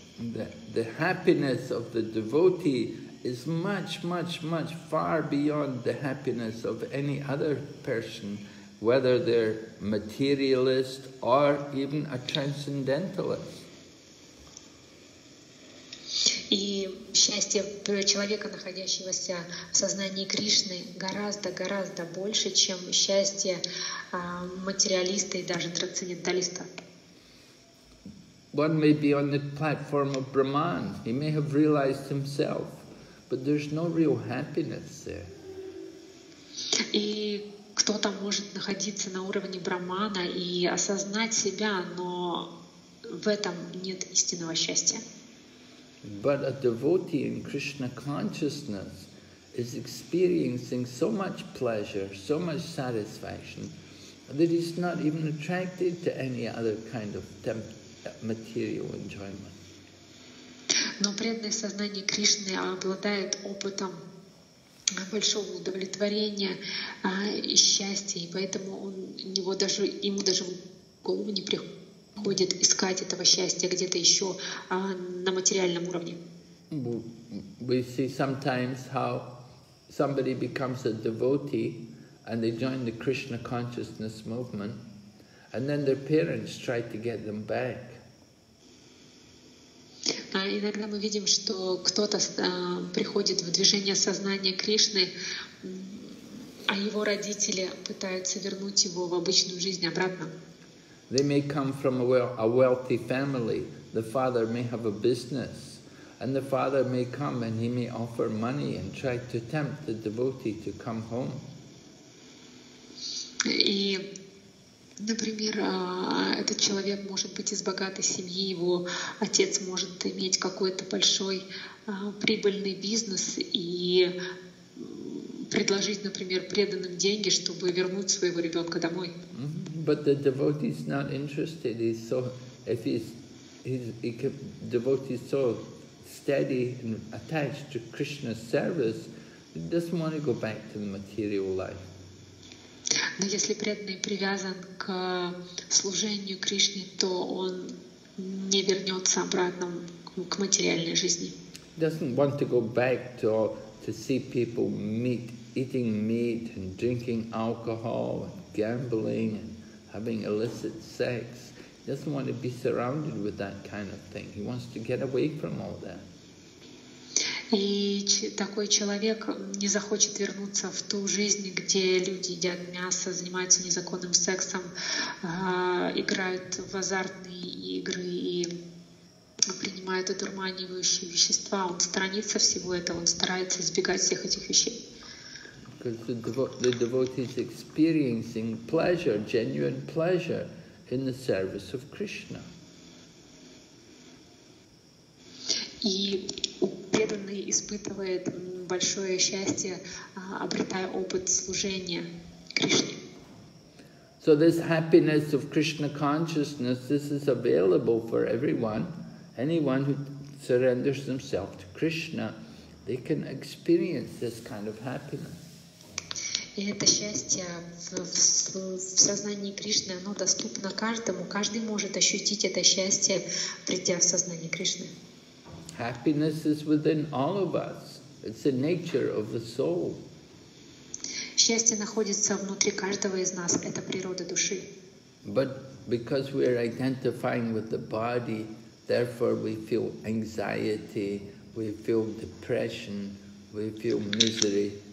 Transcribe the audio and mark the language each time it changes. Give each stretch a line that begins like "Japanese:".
English: The happiness of the devotee is much, much, much far beyond the happiness of any other person, whether they're materialist or even a transcendentalist.
Russian: И счастье человека, находящегося в сознании Кришны, гораздо, гораздо больше, чем счастье материалиста и даже трансценденталиста.
English: One may be on the platform of Brahman. He may have realized himself, but there's no real happiness there.
Russian: И кто-то может находиться на уровне Брахмана и осознать себя, но в этом нет истинного счастья.
English: But a devotee in Krishna consciousness is experiencing so much pleasure, so much satisfaction, that he's not even attracted to any other kind of material enjoyment.
Russian: Но преданное сознание Кришны обладает опытом большого удовлетворения и счастья, и поэтому ему даже в голову не приходит будет искать этого счастья где-то еще на материальном уровне.
English: We see sometimes how somebody becomes a devotee and they join the Krishna consciousness movement, and then their parents try to get them back.
Russian: Иногда мы видим, что кто-то приходит в движение сознания Кришны, а его родители пытаются вернуть его в обычную жизнь обратно.
English: They may come from a wealthy family. The father may have a business, and the father may come and he may offer money and try to tempt the devotee to come home.
Russian: И, например, этот человек может быть из богатой семьи, его отец может иметь какой-то большой прибыльный бизнес и предложить, например, преданным деньги, чтобы вернуть своего ребенка домой.
English: But the devotee is not interested. He's so, if devotee is so steady and attached to Krishna's service, he doesn't want to go back to the material life.
Russian: Но если преданный привязан к служению Кришне, то он не вернется обратно к материальной жизни.
English: He doesn't want to go back to see people meet, eating meat and drinking alcohol and gambling and having illicit sex. He doesn't want to be surrounded with that kind of thing. He wants to get away from all that.
Russian: И такой человек не захочет вернуться в ту жизнь, где люди едят мясо, занимаются незаконным сексом, играют в азартные игры и принимают одурманивающие вещества. Он сторонится всего этого, он старается избегать всех этих вещей.
English: Because the devotee is experiencing pleasure, genuine pleasure, in the service of Krishna.
Russian: И преданный испытывает большое счастье, обретая опыт служения Кришне.
English: So this happiness of Krishna consciousness, this is available for everyone. Anyone who surrenders himself to Krishna, they can experience this kind of happiness.
Russian: И это счастье в сознании Кришны, оно доступно каждому. Каждый может ощутить это счастье, придя в сознание Кришны.
English: Happiness is within all of us. It's the nature of the soul.
Russian: Счастье находится внутри каждого из нас. Это природа души.
English: But because we are identifying with the body, therefore we feel anxiety, we feel depression, we feel misery.